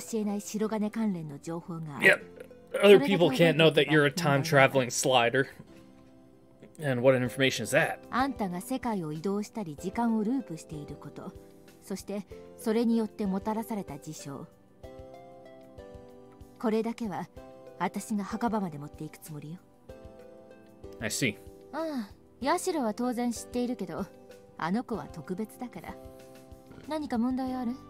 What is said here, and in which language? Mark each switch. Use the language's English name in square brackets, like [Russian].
[Japanese] 仮にあんたがイスミの知らないことを漏らしても彼女は大丈夫よ。ただどんなことがあっても相手が誰であっても絶対に教えない白金関連の情報が。 [English] Other people can't know that you're a time traveling slider. And what information is that? [Japanese] あんたが世界を移動したり時間をループしていること、そしてそれによってもたらされた事象。これだけは私が墓場まで持っていくつもりよ。 [English] I see. [Japanese] ああ、ヤシロは当然知っているけど、あの子は特別だから。何か問題ある？